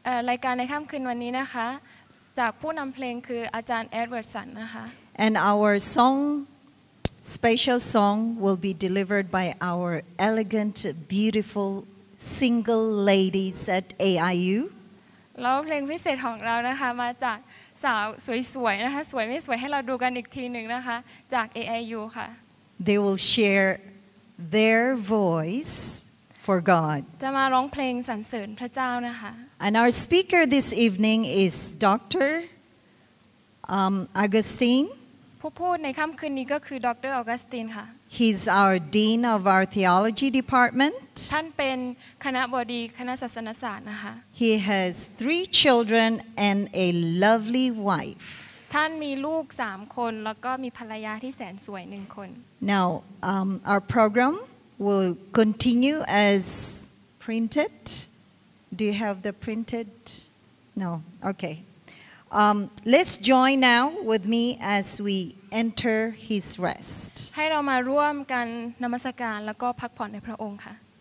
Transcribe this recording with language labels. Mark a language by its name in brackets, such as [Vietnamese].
[Thai] รายการในค่ำคืนวันนี้นะคะจากผู้นำเพลงคืออาจารย์เอ็ดเวิร์ดสันนะคะ [English] And our song, special song, will be delivered by our elegant, beautiful, single ladies at AIU. [Thai] แล้วเพลงพิเศษของเรานะคะมาจากสาวสวยๆนะคะสวยไม่สวยให้เราดูกันอีกทีหนึ่งนะคะจาก AIU ค่ะ [English] They will share their voice for God. [Thai] จะมาร้องเพลงสรรเสริญพระเจ้านะคะ [English] And our speaker this evening is Dr. Augustine. [Thai] ผู้พูดในค่ำคืนนี้ก็คือดร. ออกัสตินค่ะ [English] He's our dean of our theology department. [Thai] ท่านเป็นคณบดีคณะศาสนศาสตร์นะคะ [English] He has 3 children and a lovely wife. [Thai] ท่านมีลูก 3 คนแล้วก็มีภรรยาที่แสนสวย 1 คน [English] Now, our program will continue as printed. Do you have the printed? No. Okay. Let's join now with me as we enter His rest. [Thai] ให้เรามาร่วมกันนมัสการแล้วก็พักผ่อนในพระองค์ค่ะ